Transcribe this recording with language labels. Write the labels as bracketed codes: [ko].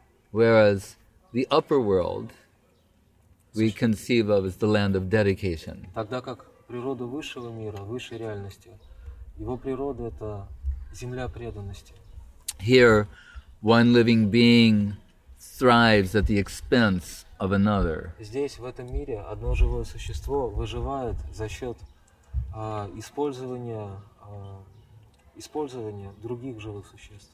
[en] Whereas the upper world we conceive of as the land of dedication. [ru] Тогда как природа высшего мира, высшей реальности, его природа — это земля преданности. [en] Here, one living being thrives at the expense of another. [ru] Здесь, в этом мире, одно живое существо выживает за счет использования других живых существ.